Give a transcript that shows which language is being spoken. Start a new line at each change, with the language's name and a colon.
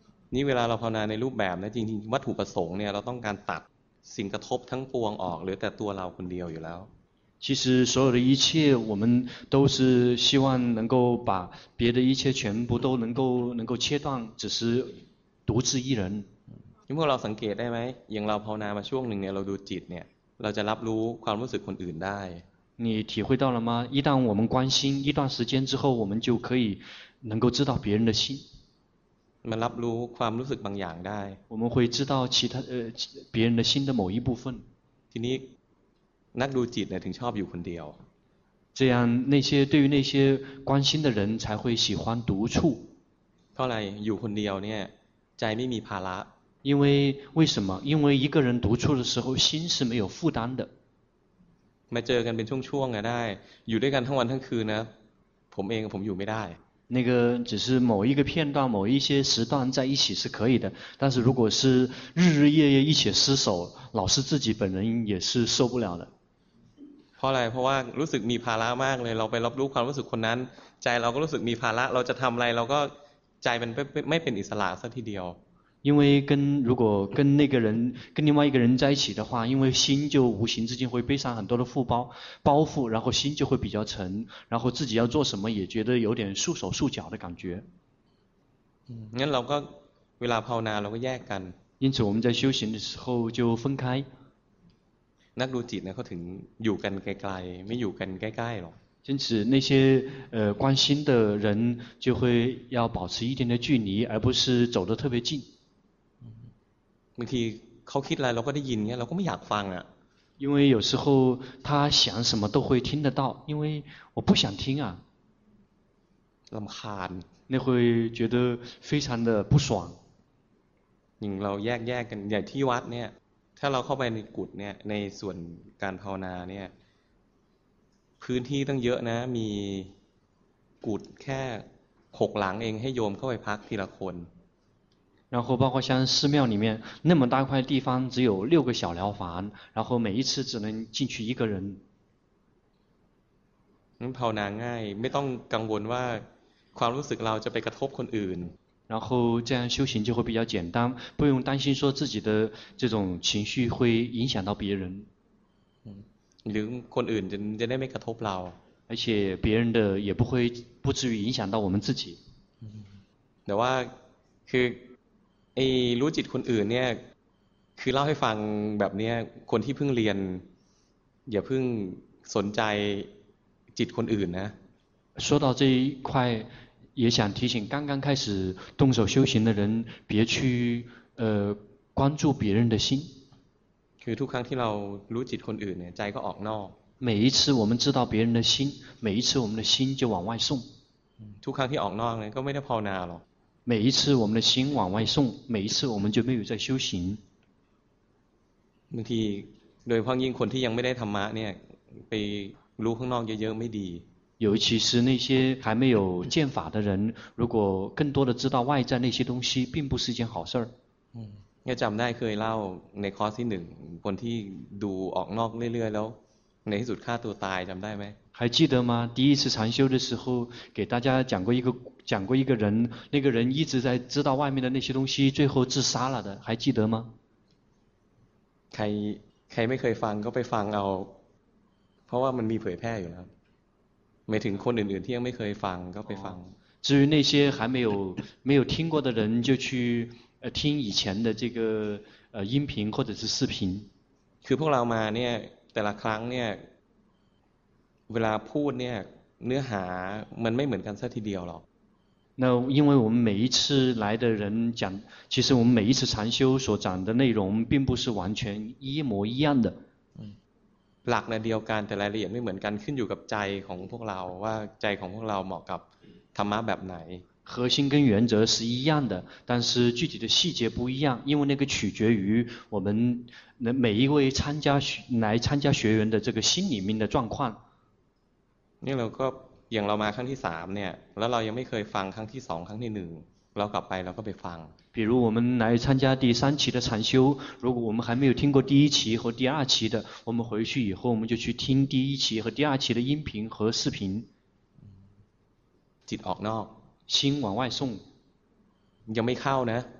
Thai: นี่เวลาเราภาวนาในรูปแบบนะจริงๆวัตถุประสงค์เนี่ยเราต้องการตัดสิ่งกระทบทั้งปวงออกเหลือแต่ตัวเราคนเดียวอยู่แล้ว
Chinese: 其实所有的一切我们都是希望能够把别的一切全部都能够切断只是独自一人因为
Thai: เราสังเกตได้ไหมอย่างเราภาวนามาช่วงหนึ่งเนี่ยเราดูจิตเนี่ยเราจะรับรู้ความรู้สึกคนอื่นได้
Chinese: 你体会到了吗一旦我们关心一段时间之后我们就可以能够知道别人的心
Thai: มันรับรู้ความรู้สึกบางอย่างได้
Chinese: 我们会知道其他别人的心的某一部分
Thai: ทีนี้นักดูจิตเนี่ยถึงชอบอยู่คนเดียว
Chinese: 这样那些对于那些关心的人才会喜欢独处
Thai: เพราะอะไรอยู่คนเดียวเนี่ยใจไม่มีภาระ
Chinese: 因为什么因为一个人独处的时候心是没有负担的
Thai: มาเจอกันเป็นช่วงๆได้อยู่ด้วยกันทั้งวันทั้งคืนนะผมเองผมอยู่ไม่ได้
Chinese: 那个只是某一个片段某一些时段在一起是可以的但是如果是日日夜夜一起厮守老师自己本人也是受不了的
Thai: เพราะอะไรเพราะว่ารู้สึกมีภาระมากเลยเราไปรับรู้ความรู้สึกคนนั้นใจเราก็รู้สึกมีภาระเราจะทำอะไรเราก็ใจมันไม่เป็นอิสระสักทีเดียว
Chinese: 因为跟如果跟那个人跟另外一个人在一起的话因为心就无形之间会背上很多的包袱然后心就会比较沉然后自己要做什么也觉得有点束手束脚的感觉
Thai: งั้นเราก็เวลาภาวนาเราก็แยกกัน
Chinese: 因此我们在修行的时候就分开
Thai: นักดูจิตนะเขาถึงอยู่กันไกลๆไม่อยู่กันใกล้ๆหรอก
Chinese: 因此那些关心的人就会要保持一定的距离而不是走得特别近
Thai: บางทีเขาคิดอะไรเราก็ได้ยินเงี้ยเราก็ไม่อยากฟังอ่ะ
Chinese: 因为有时候他想什么都会听得到因为我不想听啊
Thai: ลำคาญ
Chinese: 那会觉得非常的不爽
Thai: อย่างเราแยกๆกันอย่างที่วัดเนี่ยถ้าเราเข้าไปในกุฏิเนี่ยในส่วนการภาวนาเนี่ยพื้นที่ตั้งเยอะนะมีกุฏิแค่6หลังเองให้โยมเข้าไปพักทีละคน
Chinese: 然后包括像寺庙里面那么大块地方只有六个小疗房然后每一次只能进去一个人
Thai: ภาวนาง่ายไม่ต้องกังวลว่าความรู้สึกเราจะไปกระทบคนอื่น
Chinese: 然后这样修行就会比较简单不用担心说自己的这种情绪会影响到别人
Thai: หรือคนอื่นจะได้ไม่กระทบเรา
Chinese: 而且别人的也不会不至于影响到我们自己
Thai: แต่ว่าคือไอ้รู้จิตคนอื่นเนี่ยคือเล่าให้ฟังแบบเนี้ยคนที่เพิ่งเรียนอย่าเพิ่งสนใจจิตคนอื่นนะ
Chinese: 说到这一块也想提醒刚刚开始动手修行的人别去关注别人的心
Thai: คือทุกครั้งที่เรารู้จิตคนอื่นเนี่ยใจก็ออกนอก
Chinese: 每一次我们知道别人的心每一次我们的心就往外送
Thai: ทุกครั้งที่ออกนอกเนี่ยก็ไม่ได้ภาวนาหรอก
Chinese: 每一次我们的心往外送每一次我们就没有在修行
Thai: บางทีโดยเฉพาะยิ่งคนที่ยังไม่ได้ธรรมะเนี่ยไปรู้ข้างนอกเยอะๆไม่ดี
Chinese: 尤其是那些还没有见法的人如果更多的知道外在那些东西并不是一件好事儿
Thai: ยังจำได้เคยเล่าในคอร์สที่หนึ่งคนที่ดูออกนอกเรื่อยๆแล้วในที่สุดฆ่าตัวตายจำได้ไหม
Chinese: high记得吗第一次禅修的时候给大家讲过一个人那个人一直在知道外面的那些东西最后自杀了的还记得吗
Thai: ใครไม่เคยฟังก็ไปฟังเอาเพราะว่ามันมีเผยแพร่อยู่แล้วหมายถึงคนอื่นๆที่ยังไม่เคยฟังก็ไปฟัง
Chinese: 至于那些还没有听过的人就去听以前的这个音频或者是视频
Thai: คือพวกเรามาเนี่ยแต่ละครั้งเนี่ยเวลาพูดเนี่ยเนื้อหามันไม่เหมือนกันซะทีเดียวหรอก
Chinese: 那因为我们每一次来的人讲其实我们每一次禅修所讲的内容并不是完全一模一样的
Thai: หลักเนี่ยเดียวกันแต่รายละเอียดไม่เหมือนกันขึ้นอยู่กับใจของพวกเราว่าใจของพวกเราเหมาะกับธรรมะแบบไหน
Chinese: 核心跟原则是一样的但是具体的细节不一样因为那个取决于我们每一位来参加学员的这个心里面的状况
Thai: นี่เราก็อย่างเรามาครั้งที่3เนี่ยแล้วเรายังไม่เคยฟังครั้งที่2ครั้งที่1เรากลับไปเราก็ไปฟัง
Chinese: 比如我们来参加第三期的禅修如果我们还没有听过第一期和第二期的我们回去以后我们就去听第一期和第二期的音频和视频
Thai: จิตออกนอก
Chinese: 心往外送
Thai: ยังไม่เข้านะ